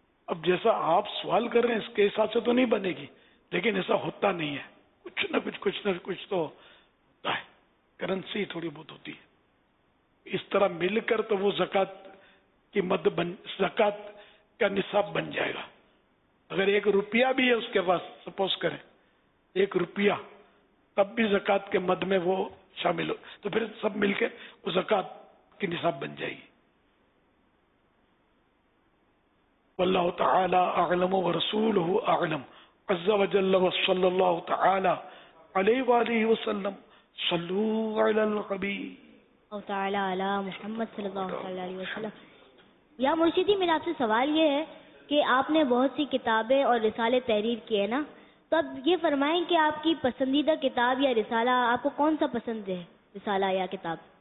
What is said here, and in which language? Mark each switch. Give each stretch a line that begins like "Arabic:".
Hindi: अब जैसा आप सवाल कर रहे हैं इसके हिसाब से तो नहीं बनेगी, लेकिन ऐसा होता नहीं है, कुछ ना कुछ तो होता है, करेंसी थोड़ी बहुत होती है, इस तरह मिलकर तो वो ज़कात की मद बन ज़कात का निसाब बन जाएगा। अगर एक रुपया भी है उसके पास, सपोज करें एक रुपया, तब भी जकात के मद में वो शामिल हो, तो फिर सब मिलके वो जकात की निसाब बन जाएगी।
Arabic: والله تعالى اعلم ورسوله اعلم عز وجل وصلى الله تعالى عليه واله وسلم صلوا على النبي او تعالى على محمد صلى الله عليه وسلم।
Hindi: या मुर्शिदी, मेरा आपसे सवाल ये है कि आपने बहुत सी किताबें और रिसाले तहरीर किए ना, तो आप ये फरमाएं कि आपकी पसंदीदा किताब या रिसाला आपको कौन सा पसंद है, रिसाला या किताब?